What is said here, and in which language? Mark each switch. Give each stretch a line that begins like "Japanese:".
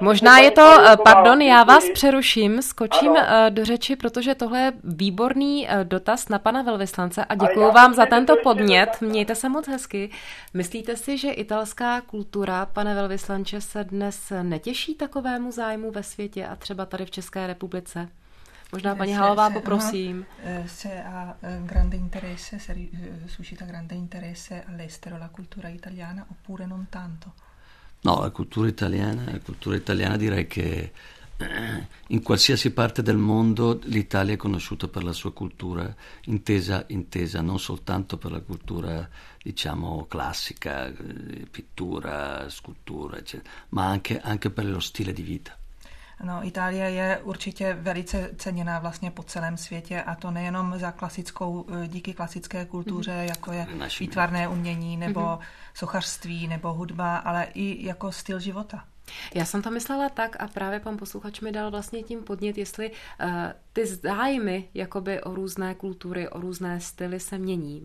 Czech: Možná je to, pardon, já vás přeruším, skočím do řeči, protože tohle je výborný dotaz na pana velvyslance a děkuju vám za tento podnět. Mějte se moc hezky. Myslíte si, že italská kultura, pane velvyslanče, se dnes netěší takovému zájmu ve světě a třeba tady v České republice? Možná paní Halová, poprosím.
Italian: Se a grande interesse, suscita grande interesse all'estero la cultura italiana oppure non tanto? No, la cultura italiana direi che in qualsiasi parte del mondo l'Italia è conosciuta per la sua cultura, intesa non soltanto per la cultura, diciamo, classica, pittura, scultura, eccetera, ma anche per lo stile di vita.
Czech: No, Itálie je určitě velice ceněná vlastně po celém světě a to nejenom za klasickou, díky klasické kultuře, jako je výtvarné umění, nebo sochařství, nebo hudba, ale i jako styl života. Já jsem to myslela tak a právě pan posluchač mi dal vlastně tím podnět, jestli ty zájmy jakoby o různé kultury, o různé styly se mění.